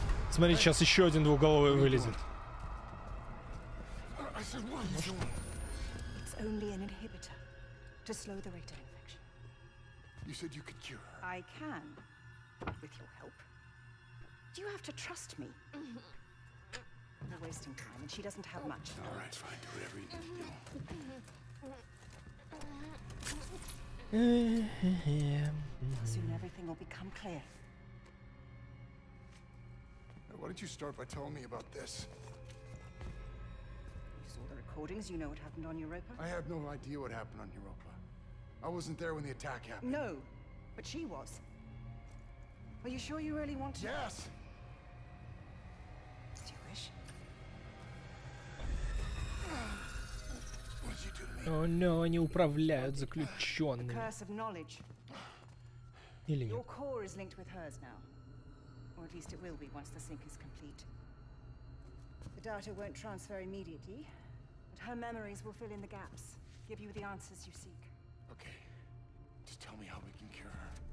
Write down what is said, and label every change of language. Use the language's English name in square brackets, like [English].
[Russian] Смотри, сейчас еще один двухголовый вылезет. [English] It's only an inhibitor to slow the rate of infection. You said you could cure her. I can, with your help. Do you have to trust me? We're wasting time, and she doesn't have much. All right, fine, do whatever you need to do. Soon everything will become clear. Why don't you start by telling me about this? You saw the recordings, you know what happened on Europa? I have no idea what happened on Europa. I wasn't there when the attack happened. No, but she was. Are you sure you really want to? Yes! Do you wish? What did you do to me? Oh no, [Russian] они управляют заключенными. [English] The curse of knowledge. [Russian] Или нет? [English] Your core is linked with hers now. Or at least it will be once the sync is complete. The data won't transfer immediately, but her memories will fill in the gaps, give you the answers you seek. Okay. Just tell me how we can cure her.